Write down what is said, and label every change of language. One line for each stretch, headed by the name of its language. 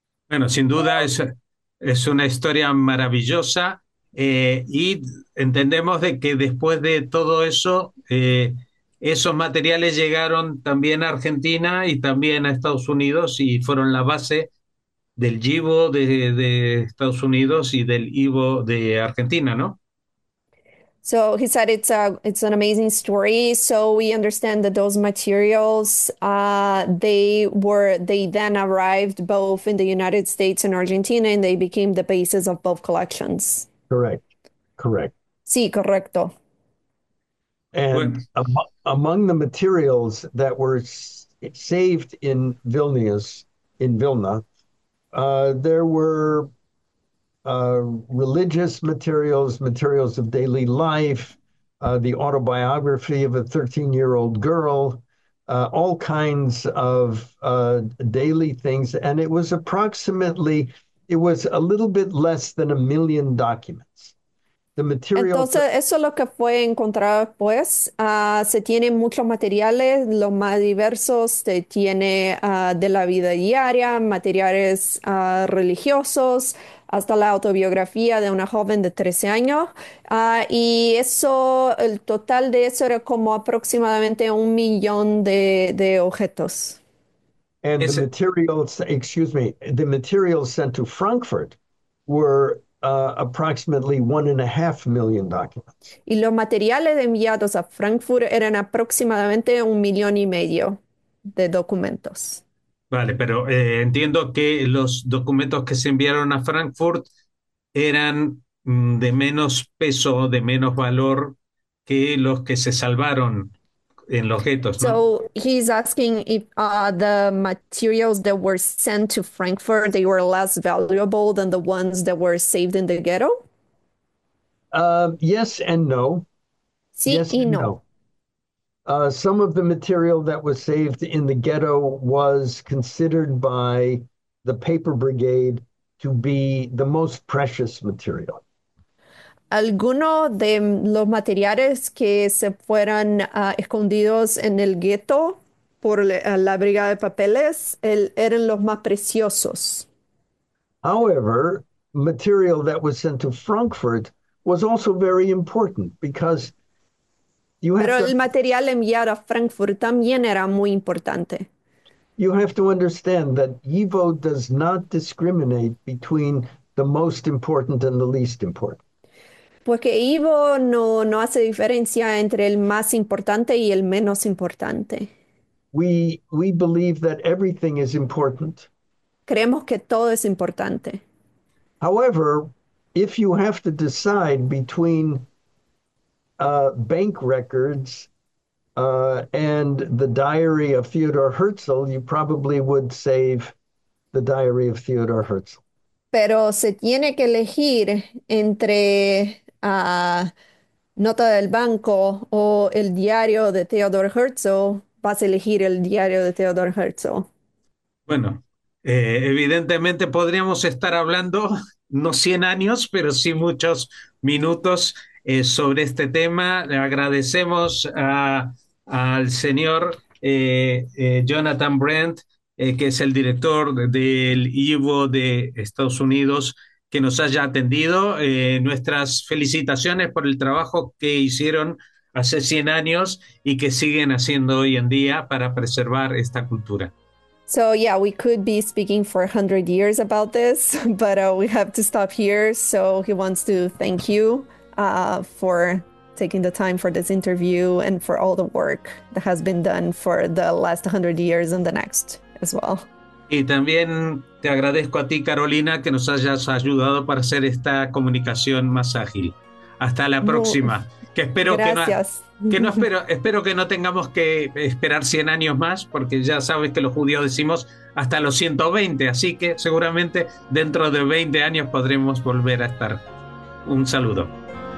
Spanish: Bueno, sin duda es una historia maravillosa y entendemos de que después de todo eso, esos materiales llegaron también a Argentina y también a Estados Unidos y fueron la base del YIVO de Estados Unidos y del IVO de Argentina, ¿no?
English: So he said it's an amazing story. So we understand that those materials they then arrived both in the United States and Argentina, and they became the basis of both collections. Correct, correct.
Spanish: Sí, correcto.
English: And
Spanish: Bueno.
English: among the materials that were saved in Vilna, there were religious materials, materials of daily life, the autobiography of a 13-year-old girl, all kinds of daily things, and it was approximately. It was a little bit less than a million documents. The materials that
Spanish: Entonces, eso es lo que fue encontrado después. Se tienen muchos materiales, los más diversos, se tiene de la vida diaria, materiales religiosos, hasta la autobiografía de una joven de 13 años. Y eso, el total de eso era como aproximadamente 1 millón de objetos.
English: And the
Spanish: Ese.
English: materials, excuse me, the materials sent to Frankfurt were approximately 1.5 million documents.
Spanish: Y los materiales enviados a Frankfurt eran aproximadamente 1,5 millones de documentos. Vale, pero entiendo que los documentos que se enviaron a Frankfurt eran de menos peso, de menos valor que los que se salvaron en los guetos, ¿no?
English: So he's asking if the materials that were sent to Frankfurt, they were less valuable than the ones that were saved in the ghetto? Yes and no.
Spanish: Sí
English: Yes
Spanish: y
English: and
Spanish: no.
English: no. Some of the material that was saved in the ghetto was considered by the paper brigade to be the most precious material.
Spanish: Algunos de los materiales que se fueran escondidos en el gueto por la brigada de papeles eran los más preciosos.
English: However, material that was sent to Frankfurt was also very important because you have
Spanish: Pero
English: to
Spanish: el material enviado a Frankfurt también era muy importante.
English: understand that YIVO does not discriminate between the most important and the least important.
Spanish: Pues que Ivo no hace diferencia entre el más importante y el menos importante.
English: We believe that everything is important.
Spanish: Creemos que todo es importante.
English: However, if you have to decide between bank records and the diary of Theodor Herzl, you probably would save the diary of Theodor Herzl.
Spanish: Pero se tiene que elegir entre nota del banco o el diario de Theodor Herzl, vas a elegir el diario de Theodor Herzl. Bueno, evidentemente podríamos estar hablando no 100 años, pero sí muchos minutos sobre este tema. Le agradecemos al señor Jonathan Brent, que es el director del IVO de Estados Unidos, que nos haya atendido. Nuestras felicitaciones por el trabajo que hicieron hace 100 años y que siguen haciendo hoy en día para preservar esta cultura.
English: So yeah, we could be speaking for 100 years about this, but we have to stop here. So he wants to thank you for taking the time for this interview and for all the work that has been done for the last 100 years and the next as well.
Spanish: Y también te agradezco a ti, Carolina, que nos hayas ayudado para hacer esta comunicación más ágil. Hasta la Mu próxima. Que espero que no, gracias. espero que no tengamos que esperar 100 años más, porque ya sabes que los judíos decimos hasta los 120, así que seguramente dentro de 20 años podremos volver a estar. Un saludo.